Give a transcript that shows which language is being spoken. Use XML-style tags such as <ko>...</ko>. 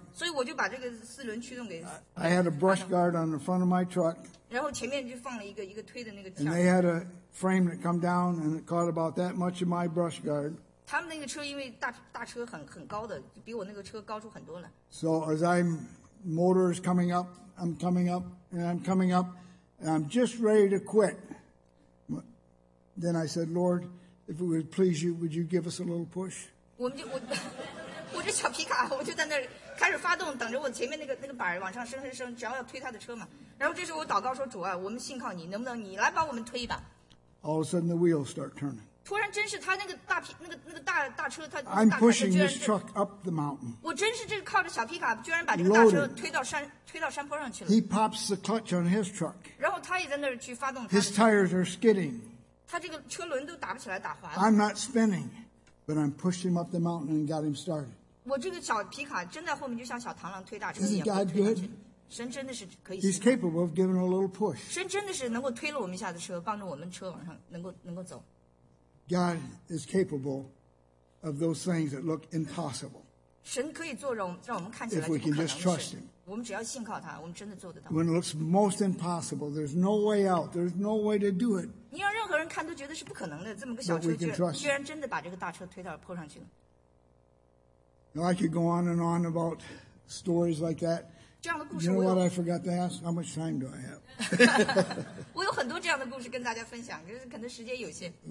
<zh>所以我就把这个四轮驱动给。</zh> <en>I had a brush guard on the front of my truck.</en> <zh>然后前面就放了一个推的那个。</zh> <en>And they had a frame that come down and it caught about that much of my brush guard.</en> <zh>他们那个车因为大车很高的，比我那个车高出很多了。</zh> <en>So as motor is coming up, I'm coming up, and I'm coming up, and I'm just ready to quit. Then I said, Lord, if it would please you, would you give us a little push?</en> <zh>我这小皮卡，我就在那儿开始发动，等着我前面那个板儿往上升，只要推他的车嘛。然后这时候我祷告说，主啊，我们信靠你，能不能你来帮我们推一把</zh> <en>？All of a sudden, the wheels start turning.</en> <zh>突然真是他那个大皮那个大大车他大</zh> <en>I'm pushing this truck up the mountain.</en> <zh>我真是这靠着小皮卡居然把这个大车推到山坡上去了。</zh> <en>He pops the clutch on his truck.</en> <zh>然后他也在那儿去发动。</zh> <en>His tires are skidding.</en> <zh>他这个车轮都打不起来打滑</zh> <en>了。I'm not spinning, but I'm pushing him up the mountain and got him started.</en> <zh>我这个小皮卡真在后面就像小螳螂推大车一</zh> <en>样。Is God good?</en> <zh>神真的是可以。</zh> <en>He's capable of giving a little push.</en> <zh>神真的是能够推了我们一下的车，帮着我们车往上能够走。</zh> <en>God is capable of those things that look impossible.</en> <zh>神可以做让我们看起来。</zh> <en>If we can just trust Him,</en> <zh>我们只要信靠他，我们真的做得到。</zh> <en>When it looks most impossible, there's no way out. There's no way to do it.</en> <zh>你让任何人看都觉得是不可能的，这么个小车居然真的把这个大车推到坡上去了。</zh> <en>Now I could go on and on about stories like that.</en> <zh>这样的故事。</zh> <en>You know what I forgot to ask? How much time do I have?</en> <zh>我有很多这样的故事跟大家分享，可是可能时间有限。</zh>